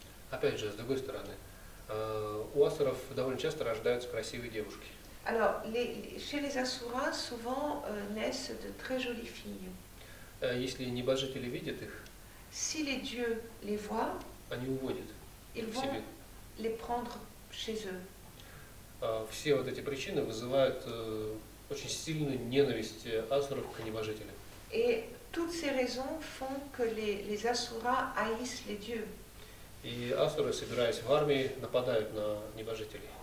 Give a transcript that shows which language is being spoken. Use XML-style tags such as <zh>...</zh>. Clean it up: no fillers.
<ru>Опять же, с другой стороны, у асуров довольно часто рождаются красивые девушки.</ru> <fr>Alors, chez les Asuras, souvent naissent de très jolies filles.</fr> <ru>Если небожители видят их,</ru> <fr>si les dieux les voient,</fr> <ru>они уводят</ru> <fr>ils Vont les prendre chez eux.</fr> <ru>Все вот эти причины вызывают очень сильную ненависть асуров к небожителям.</ru> <fr>Et toutes ces raisons font que les Asuras haïssent les dieux.</fr> <ru>И асуры, собираясь в армии, нападают на небожителей.</ru>